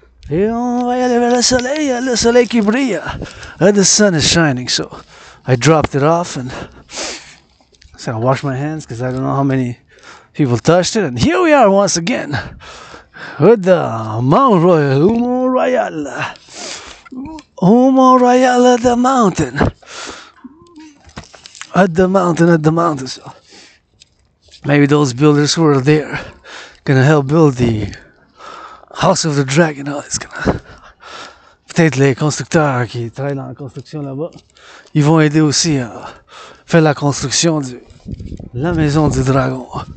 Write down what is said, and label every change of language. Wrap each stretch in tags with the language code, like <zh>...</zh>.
<fr>Et on va y aller vers le soleil qui brille.</fr> <en>And the sun is shining, so I dropped it off and I'm gonna wash my hands because I don't know how many people touched it. And here we are once again with the Mount Royal. Mount Royal at the mountain. At the mountain. So maybe those builders who are there gonna help build the House of the Dragon. Oh, it's gonna.</en> <fr>Peut-être les constructeurs qui travaillent dans la construction là-bas, ils vont aider aussi à faire la construction de la maison du dragon.</fr>